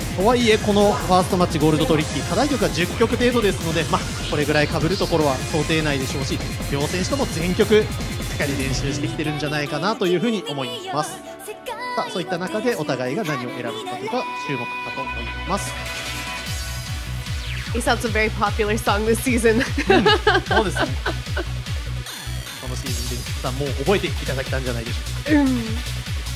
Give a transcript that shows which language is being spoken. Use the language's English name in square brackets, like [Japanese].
[Japanese] とはいえこのファーストマッチゴールドトリッキー、課題曲は10曲程度ですので、まあこれぐらい被るところは想定内でしょうし、両選手とも全曲しっかり練習してきてるんじゃないかなというふうに思います。そういった中でお互いが何を選ぶかというか注目かと思います。 [English] It sounds a very popular song this season. 、 [Japanese] うん、そうですね、このシーズンでさもう覚えていただけたんじゃないでしょうか。